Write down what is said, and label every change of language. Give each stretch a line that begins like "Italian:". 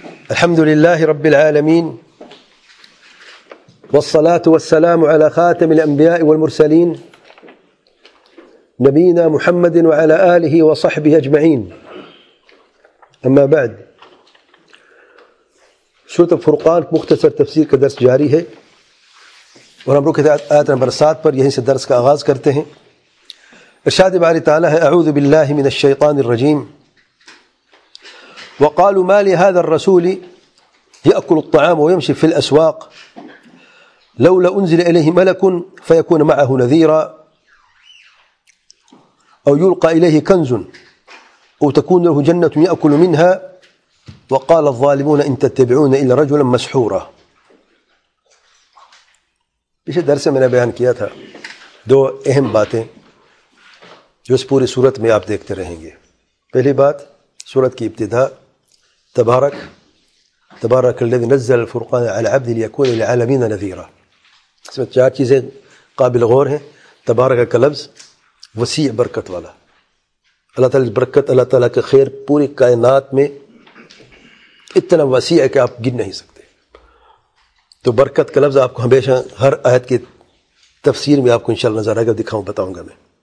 Arabic: الحمد لله رب العالمين، والصلاة والسلام على خاتم الأنبياء والمرسلين نبينا محمد وعلى آله وصحبه أجمعين. أما بعد،
Urdu: سورة الفرقان مختصر تفسير كدرس جاري ہے اور ہم رکعت آیت نمبر 7 پر یہیں سے درس کا آغاز کرتے ہیں. ارشاد باری تعالیٰ ہے:
Arabic: اعوذ باللہ من الشیطان الرجیم، وقالوا ما لهذا الرسول يأكل الطعام ويمشي في الأسواق لولا أنزل إليه ملك فيكون معه نذيرا أو يلقى إليه كنز أو تكون له جنة يأكل منها وقال الظالمون إن تتبعون إلا رجلا مسحورا.
Urdu: پیچھے درس میں نے بیان کیا تھا دو اہم باتیں جو اس پوری صورت میں آپ دیکھتے رہیں گے. پہلی بات، صورت کی ابتدا
Arabic: تبارک الذي نزل الفرقان على عبده ليكون للعالمين نذيرا.
Urdu: اس میں چار چیزیں قابل غور ہیں. تبارک کا لفظ وسیع برکت والا، اللہ تعالیٰ کی برکت، اللہ تعالیٰ کا خیر پوری کائنات میں اتنا وسیع ہے کہ آپ گن نہیں سکتے. تو برکت کا لفظ آپ کو ہمیشہ ہر آیت کی تفسیر میں آپ کو انشاءاللہ نظر آئے گا، دکھاؤں بتاؤں گا میں.